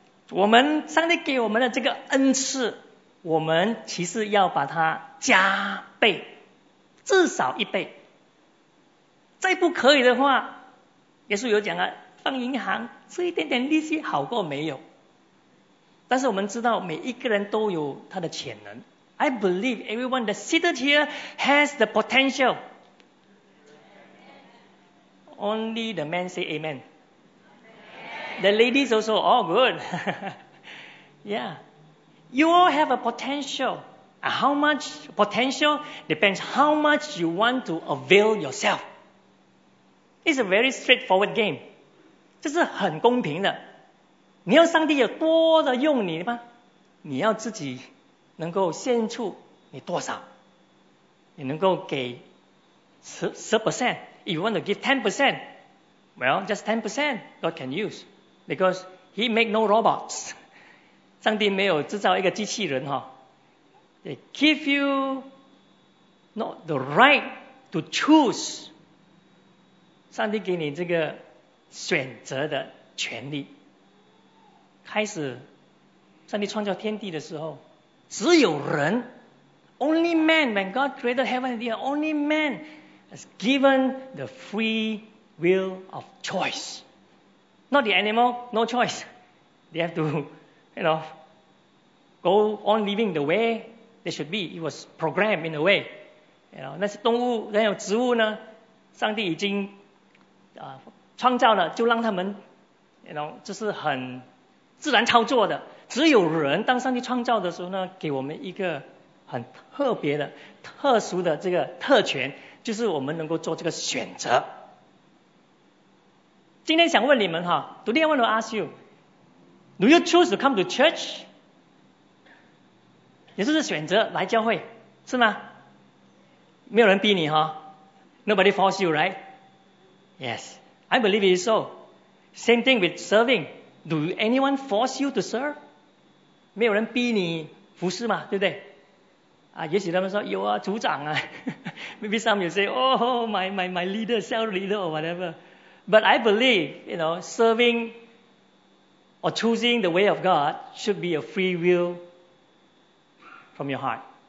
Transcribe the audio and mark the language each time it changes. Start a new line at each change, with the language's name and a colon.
Chinese: 我们上帝给我们的这个恩赐，我们其实要把它加倍，至少一倍。再不可以的话，耶稣有讲啊，放银行吃一点点利息好过没有。但是我们知道每一个人都有他的潜能。
English: I believe everyone that seated here has the potential. Only the men say amen. Amen. The ladies also, all good. Yeah. You all have a potential. How much potential depends how much you want to avail yourself. It's a very straightforward game.
Chinese: 这是很公平的。你要上帝有多的用你吗？你要自己能够献出你多少？你能够给10%。
English: If you want to give 10%, well, just 10% God can use. Because He make no robots.
Chinese: 上帝没有制造一个机器人。
English: They give you not the right to choose.
Chinese: 上帝给你这个选择的权利。开始上帝创造天地的时候，只有人。
English: Only man, when God created heaven and earth, only man is given the free will of choice. Not the animal, no choice. They have to, you know, go on living the way they should be. It was programmed in a way.
Chinese: You know, 那些动物,那些植物呢,上帝已经, 创造了,就让他们, you know, 就是很自然操作的。只有人当上帝创造的时候呢,给我们一个很特别的,特殊的这个特权, 就是我们能够做这个选择。今天想问你们哈,
English: today I want to ask you, do you choose to come to church?
Chinese: 也就是选择来教会, 是吗? 没有人逼你哈?
English: Nobody force you, right? Yes, I believe it is so. Same thing with serving. Do anyone force you to serve?
Chinese: 没有人逼你服侍嘛, 对不对?啊, 也许他们说, 有啊, 组长啊。
English: Maybe some will say, oh, my leader, cell leader or whatever. But I believe, you know, serving or choosing the way of God should be a free will from your heart.